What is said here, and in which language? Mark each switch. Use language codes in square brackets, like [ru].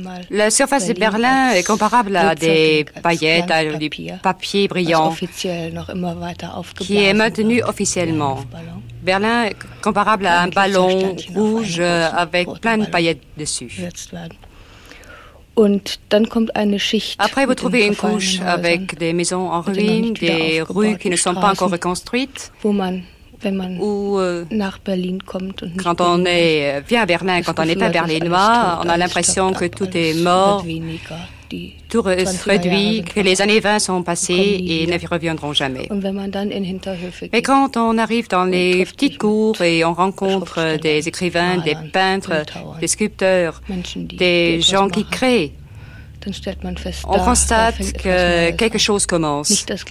[fr] La surface de Berlin est comparable à des paillettes, à du papier brillant qui est maintenu officiellement. Berlin est comparable à un ballon rouge avec plein de paillettes dessus. [de] Und dann kommt eine Schicht. [fr] Après, vous trouvez une couche avec des maisons en ruine, des rues qui ne sont pas encore reconstruites. [de] Wo man, wenn man nach Berlin kommt und [fr] quand on est vient à Berlin, quand on est un Berlinois, on a l'impression que tout est mort, tout est réduit, que les années 20 sont passées et ne reviendront jamais. Mais quand on arrive dans les petites cours et on rencontre des écrivains, des peintres, des sculpteurs, des gens qui créent, on constate que quelque chose commence.